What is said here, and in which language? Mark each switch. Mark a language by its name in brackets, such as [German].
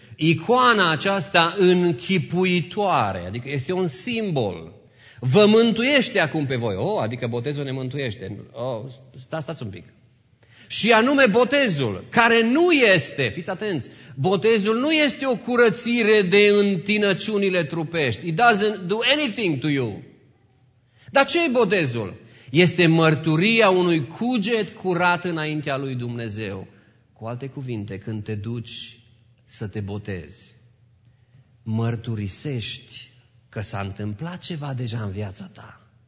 [Romanian] Icoana aceasta închipuitoare, adică este un simbol, vă mântuiește acum pe voi. Adică botezul ne mântuiește. Stați un pic. Și anume botezul, care nu este, fiți atenți, botezul nu este o curățire de întinăciunile trupești. [English] It doesn't do anything to you. [Romanian] Dar ce e botezul? Este mărturia unui cuget curat înaintea lui Dumnezeu. Cu alte cuvinte, când te duci să te botezi, mărturisești că s-a întâmplat ceva deja în viața ta.